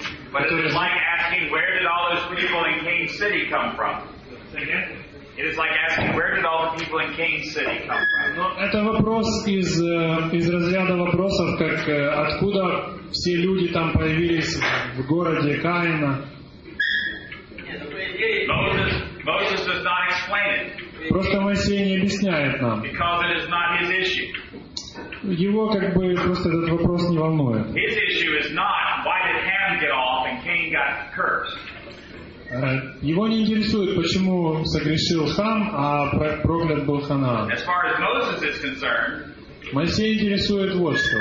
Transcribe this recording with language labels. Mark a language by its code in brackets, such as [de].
[en] But it is like asking where did all those people in Cain City come from? It is like asking where did all the people in Cain City come from? [ru] Это вопрос из разряда вопросов, как откуда все люди там появились в городе Каина. [en] Moses does not explain it. [ru] Просто Моисей не объясняет нам. [en] Because it is not his issue. [ru] Его как бы просто этот вопрос не волнует. [en] His issue is not why did Ham get off and Cain got cursed. [ru] Его не интересует, почему согрешил Хам, а проклят был Ханаан. [en] As far as Moses is concerned, [ru] Моисей интересует вот что.